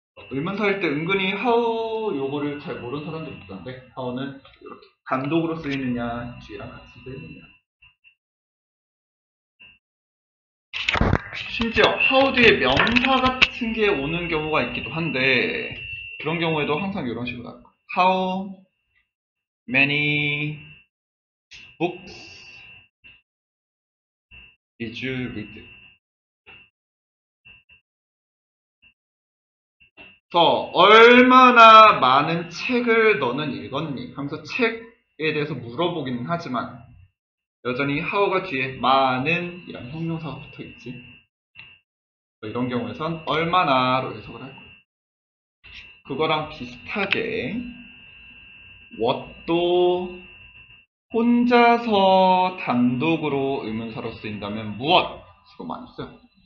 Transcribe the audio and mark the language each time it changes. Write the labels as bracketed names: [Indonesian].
[Korean] 의문사일 때 은근히 how 요거를 잘 모르는 사람도 있던데 how는 이렇게 단독으로 쓰이느냐 뒤랑 같이 쓰이느냐. 심지어 how 뒤에 명사 같은 게 오는 경우가 있기도 한데 그런 경우에도 항상 이런 식으로 할 거예요. [English] How many books did you read? [Korean] 그래서 얼마나 많은 책을 너는 읽었니? 하면서 책에 대해서 물어보기는 하지만 여전히 how가 뒤에 많은 이런 형용사가 붙어있지. 이런 경우에선 얼마나로 해석을 할 거예요. 그거랑 비슷하게 what도 혼자서 단독으로 의문사로 쓰인다면 무엇이고 많이 써요.